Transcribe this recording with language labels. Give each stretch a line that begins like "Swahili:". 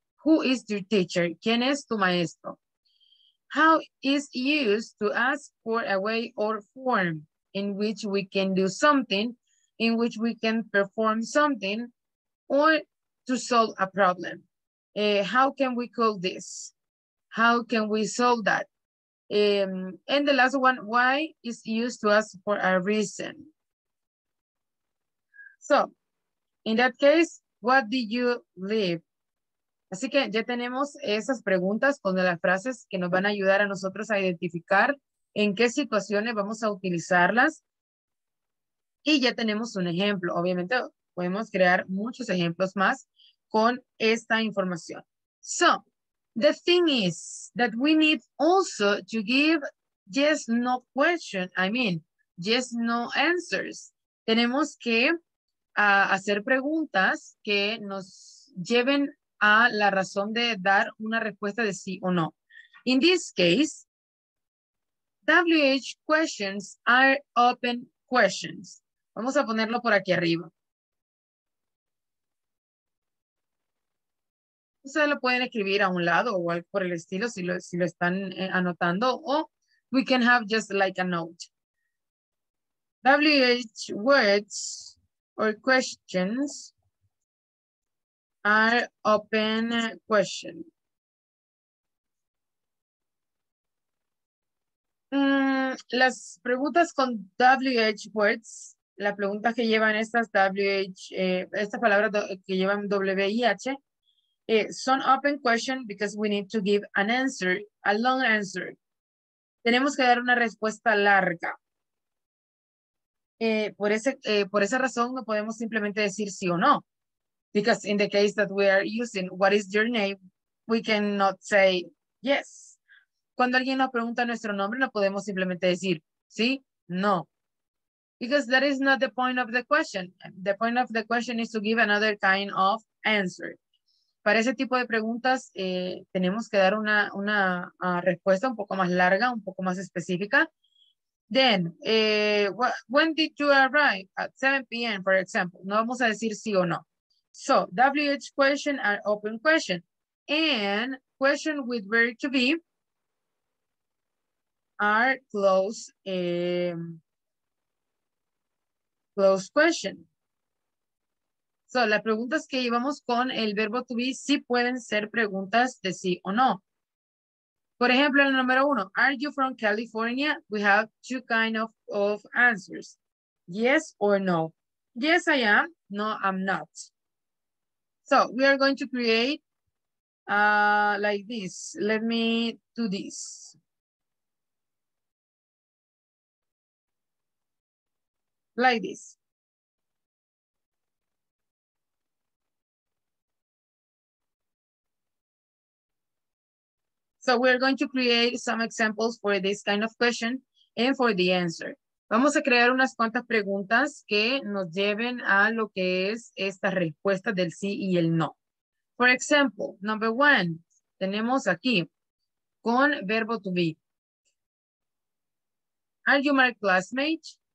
English: Who is your teacher? ¿Quién es tu maestro? How is used to ask for a way or form in which we can do something, in which we can perform something, or to solve a problem. How can we call this? How can we solve that? And the last one, why is used to ask for a reason? So, in that case, what did you leave?
Spanish: Así que ya tenemos esas preguntas con las frases que nos van a ayudar a nosotros a identificar en qué situaciones vamos a utilizarlas. Y ya tenemos un ejemplo. Obviamente podemos crear muchos ejemplos más con esta información.
English: So, the thing is that we need also to give yes, no question. I mean, yes, no answers.
Spanish: Tenemos que hacer preguntas que nos lleven a la razón de dar una respuesta de sí o no.
English: In this case, WH questions are open questions.
Spanish: Vamos a ponerlo por aquí arriba. Ustedes lo pueden escribir a un lado o algo por el estilo si lo están anotando, o we can have just like a note.
English: WH words or questions are open question.
Spanish: Las preguntas con WH words, las preguntas que llevan estas palabras que llevan WH, son open question because we need to give an answer, a long answer. Tenemos que dar una respuesta larga. Por esa razón no podemos simplemente decir sí o no.
English: Because in the case that we are using, what is your name? We cannot say yes.
Spanish: Cuando alguien nos pregunta nuestro nombre, no podemos simplemente decir sí, no.
English: Because that is not the point of the question. The point of the question is to give another kind of answer.
Spanish: Para ese tipo de preguntas, tenemos que dar una respuesta un poco más larga, un poco más específica.
English: Then, when did you arrive? At 7 p.m., for example.
Spanish: No vamos a decir sí o no. So, WH question are open question.
English: And question with verb to be are closed question.
Spanish: So, las preguntas que llevamos con el verbo to be sí pueden ser preguntas de sí o no. Por ejemplo, el número uno, are you from California? We have two kind of answers.
English: Yes or no. Yes, I am. No, I'm not. So we are going to create like this. Let me do this. Like this. So we are going to create some examples for this kind of question and for the answer.
Spanish: Vamos a crear unas cuantas preguntas que nos lleven a lo que es esta respuesta del sí y el no. For example, number one, tenemos aquí con verbo to be.
English: Are you my classmate?